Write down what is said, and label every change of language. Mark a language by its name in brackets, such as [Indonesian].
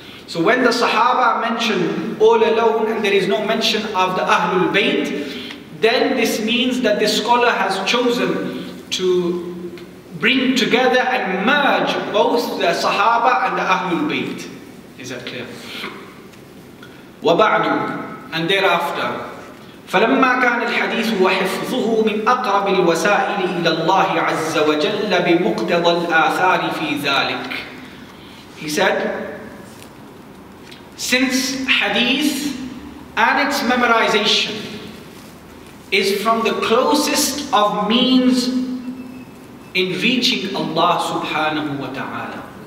[English] So when the Sahaba mentioned all alone and there is no mention of the Ahlul Bayt, then this means that the scholar has chosen to bring together and merge both the Sahaba and the Ahlul Bayt. Is that clear? [Arabic] وبعد, [English] and thereafter, [Arabic] فلما كان الحديث وحفظه من أقرب الوسائل إلى الله عز وجل بمقتضى الآثار في ذلك. [English] He said, since hadith and its memorization is from the closest of means in reaching Allah subhanahu wa ta'ala.